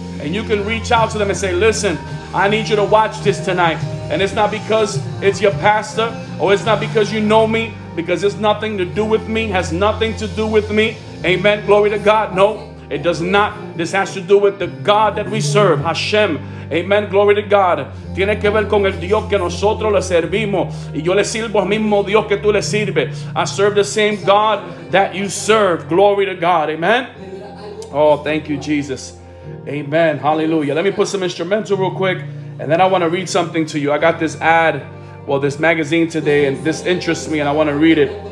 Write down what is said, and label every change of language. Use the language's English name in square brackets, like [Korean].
[English] And you can reach out to them and say, listen, I need you to watch this tonight. And it's not because it's your pastor or it's not because you know me, because it's nothing to do with me, has nothing to do with me. Amen. Glory to God. No, it does not. This has to do with the God that we serve, Hashem. Amen. Glory to God. [Spanish] Tiene que ver con el Dios que nosotros le servimos. Y yo le sirvo al mismo Dios que tú le sirves. [English] I serve the same God that you serve. Glory to God. Amen. Oh, thank you, Jesus. Amen. Hallelujah. Let me put some instrumental real quick, and then I want to read something to you. I got this ad, well, this magazine today, and this interests me, and I want to read it.